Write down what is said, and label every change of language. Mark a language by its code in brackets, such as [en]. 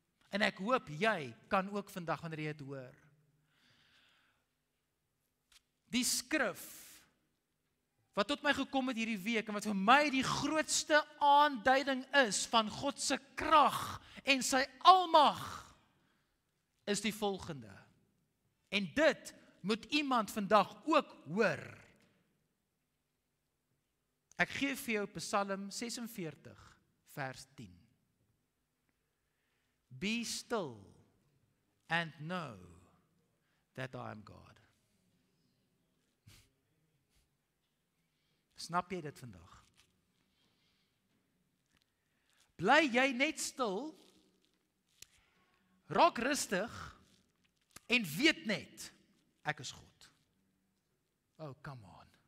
[af] En ek hoop, jy kan ook vandag wanneer jy het hoor. Die skrif, wat tot my gekom het hierdie week, en wat vir my die grootste aanduiding is van Godse krag en sy almag, is die volgende. En dit moet iemand vandag ook hoor. Ek gee vir jou Psalm 46 vers 10. [en] Be still and know that I am God. [af] Snap jy dit vandag? Bly jy net stil? Raak rustig en weet net, ek is God. [en] Oh, come on.